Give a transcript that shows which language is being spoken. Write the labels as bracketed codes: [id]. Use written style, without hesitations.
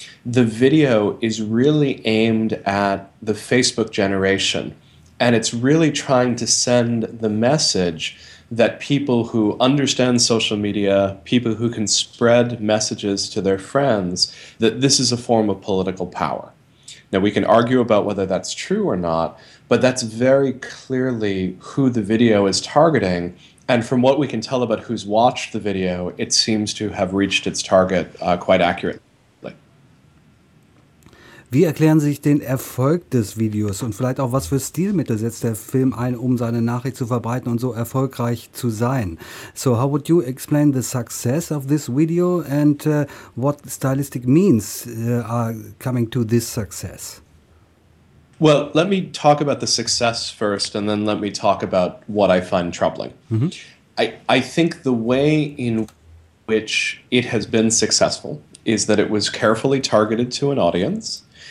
[en] The video is really aimed at the Facebook generation, and it's really trying to send the message that people who understand social media, people who can spread messages to their friends, that this is a form of political power. Now, we can argue about whether that's true or not, but that's very clearly who the video is targeting. And from what we can tell about who's watched the video, it seems to have reached its target quite accurately. [de] Wie erklären Sie sich den Erfolg des Videos und vielleicht auch, was für Stilmittel setzt der Film ein, um seine Nachricht zu verbreiten und so erfolgreich zu sein? [en] So how would you explain the success of this video and what stylistic means are coming to this success? Well, let me talk about the success first and then let me talk about what I find troubling. Mm-hmm. I think the way in which it has been successful is that it was carefully targeted to an audience.